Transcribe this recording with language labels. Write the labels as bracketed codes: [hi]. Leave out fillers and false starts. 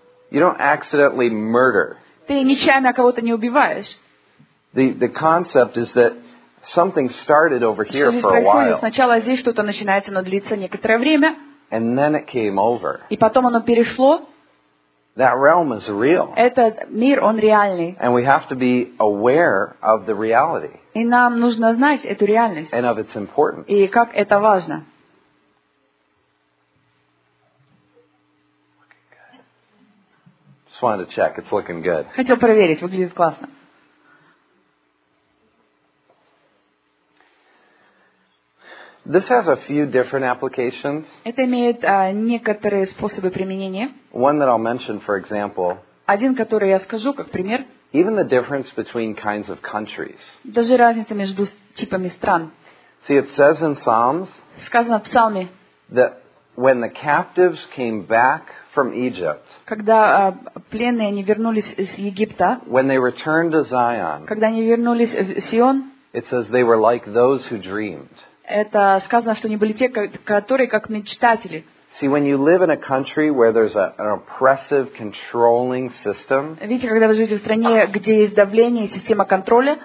[en] You don't accidentally murder. [ru] Ты нечаянно кого-то не убиваешь. [en] The concept is that something started over here for a while. [ru] Сначала здесь что-то начинается, но длится некоторое время. [en] And then it came over. [ru] И потом оно перешло. [en] That realm is real. [ru] Этот мир, он реальный. [en] And we have to be aware of the reality. [ru] И нам нужно знать эту реальность. [en] And of its importance. [ru] И как это важно. [en] Just wanted to check. It's looking good. [ru] Хотел проверить. Выглядит классно. [en] This has a few different applications. [ru] Это имеет некоторые способы применения. [en] One that I'll mention, for example. [ru] Один, который я скажу как пример. [en] Even the difference between kinds of countries. [ru] Даже разница между типами стран. [en] See, it says in Psalms, [ru] сказано в Псалме, [en] that when the captives came back from Egypt, [ru] когда пленные они вернулись из Египта, [en] when they returned to Zion, [ru] когда они вернулись в Сион, [en] it says they were like those who dreamed. [ru] Это сказано, что они были те, которые как мечтатели. [en] See, when you live in a country where there's an oppressive, controlling system, [ru] видите, когда вы живете в стране, где есть давление и система контроля,